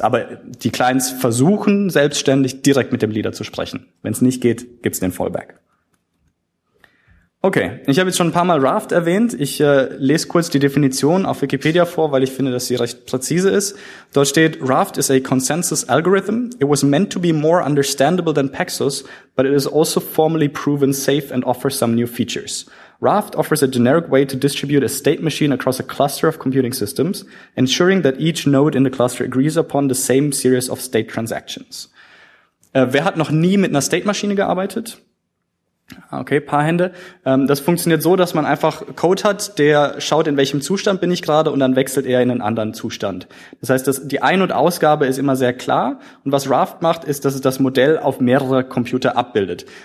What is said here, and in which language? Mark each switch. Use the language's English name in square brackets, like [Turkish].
[German] Aber die Clients versuchen selbstständig direkt mit dem Leader zu sprechen. Wenn es nicht geht, gibt's den Fallback. Okay, ich habe jetzt schon ein paar Mal Raft erwähnt. Ich lese kurz die Definition auf Wikipedia vor, weil ich finde, dass sie recht präzise ist. Dort steht, [English] Raft is a consensus algorithm. It was meant to be more understandable than Paxos, but it is also formally proven safe and offers some new features. Raft offers a generic way to distribute a state machine across a cluster of computing systems, ensuring that each node in the cluster agrees upon the same series of state transactions. [German] Wer hat noch nie mit einer State-Maschine gearbeitet? Okay, paar Hände. Das funktioniert so, dass man einfach Code hat, der schaut, in welchem Zustand bin ich gerade, und dann wechselt er in einen anderen Zustand. Das heißt, die Ein- und Ausgabe ist immer sehr klar. Und was Raft macht, ist, dass es das Modell auf mehrere Computer abbildet.